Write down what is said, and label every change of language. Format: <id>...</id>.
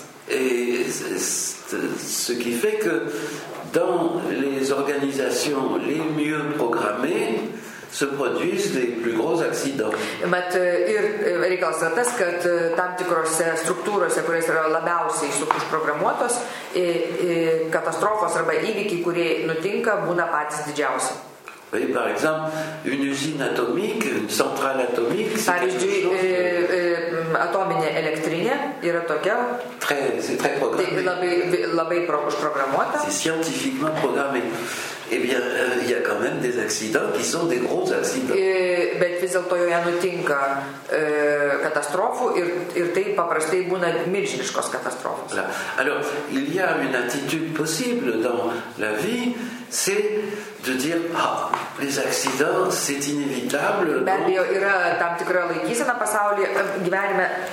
<fr>Et ce qui fait que dans les organisations les mieux programmées, se produisent des plus gros accidents.</fr> <lt>Mat ir reikalas yra tas, kad tam tikrose struktūrose, kurios yra labiausiai užprogramuotos, katastrofos arba įvykiai, kurie nutinka, būna patys didžiausi.</lt> <fr>Oui, par exemple, une usine atomique, une centrale atomique,</fr> <lt>pavyzdžiui, atominė elektrinė yra tokia.</lt> <fr>Très programmée.</fr> <lt>Tai labai užprogramuota.</lt> <fr>C'est scientifiquement programmé. Eh bien, il y a quand même des accidents qui sont des gros accidents.</fr> <lt>Bet vis dėlto joje nutinka katastrofų ir tai paprastai būna milžiniškos katastrofos.</lt> <fr>Là. Alors, il y a une attitude possible dans la vie, c'est de dire, les accidents, c'est inévitable. Bet donc...</fr> <lt>yra tam tikra laikysena pasaulyje gyvenime.</lt>